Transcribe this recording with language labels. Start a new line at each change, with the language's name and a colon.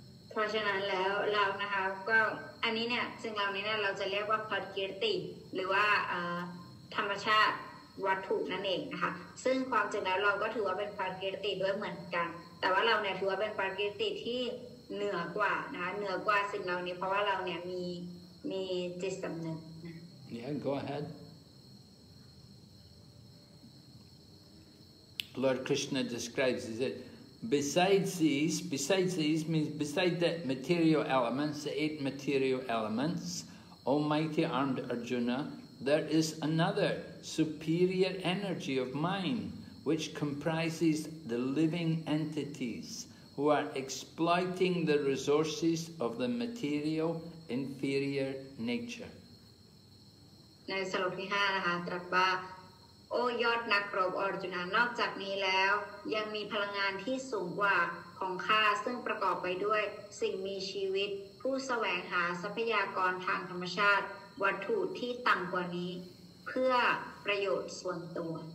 Thai: เพราะฉะนั้นแล้วเรานะคะก็อันนี้เนี่ยซึ่งเรานี้เนี่ยเราจะเรียกว่าพรคีรติหรือว่าธรรมชาติวัตถุนั่นเองนะคะซึ่งความจริงแล้วเราก็ถือว่าเป็นพรคีรติด้วยเหมือนกันแต่ว่าเราเนี่ยถือว่าเป็นพรคีรติที่เหนือกว่านะคะเหนือกว่าสิ่งเหล่านี้เพราะว่าเราเนี่ยมีจิตสำนึกนะ
English: Yeah, go ahead. Lord Krishna describes, he said, besides these, means beside the material elements, the eight material elements, almighty armed Arjuna, there is another superior energy of mine, which comprises the living entities who are exploiting the resources of the material inferior nature.
Thai: ในสรุปที่ 5 นะคะ ตรัสว่าโอ้ยอดนักรบอร์จุนานอกจากนี้แล้วยังมีพลังงานที่สูงกว่าของข้าซึ่งประกอบไปด้วยสิ่งมีชีวิตผู้แสวงหาทรัพยากรทางธรรมชาติวัตถุที่ต่ำกว่านี้เพื่อประโยชน์ส่วนตัว